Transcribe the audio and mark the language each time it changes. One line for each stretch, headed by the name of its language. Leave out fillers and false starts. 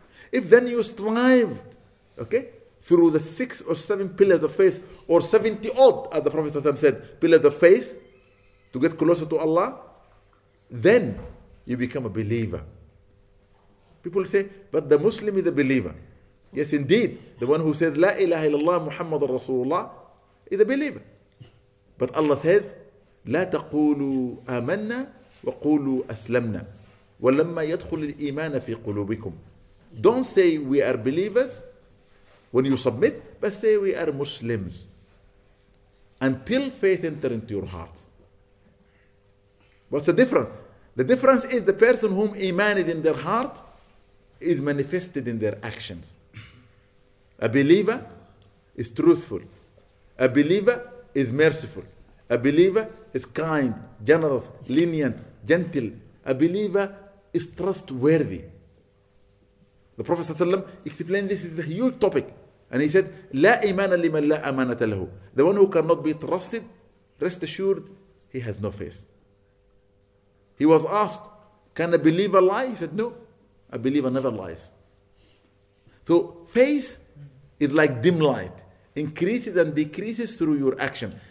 English: If then you strive, okay, through the six or seven pillars of faith, or 70 odd, as the Prophet said, pillars of faith, to get closer to Allah, then you become a believer. People say, but the Muslim is a believer. Yes, indeed. The one who says, La ilaha illallah Muhammad Rasulullah, is a believer. But Allah says,
Arabic: لا تقولوا آمنا وقولوا أسلمنا ولما يدخل الإيمان في قلوبكم.
English: Don't say we are believers when you submit, but say we are Muslims until faith enter into your hearts. What's the difference? The difference is the person whom iman is in their heart is manifested in their actions. A believer is truthful. A believer is merciful. A believer is kind, generous, lenient, gentle. A believer is trustworthy. The Prophet ﷺ explained this is a huge topic. And he said,
Arabic: لا إيمان لمن لا أمانة له.
English: The one who cannot be trusted, rest assured, he has no faith. He was asked, can a believer lie? He said, no, a believer never lies. So faith is like dim light, increases and decreases through your action.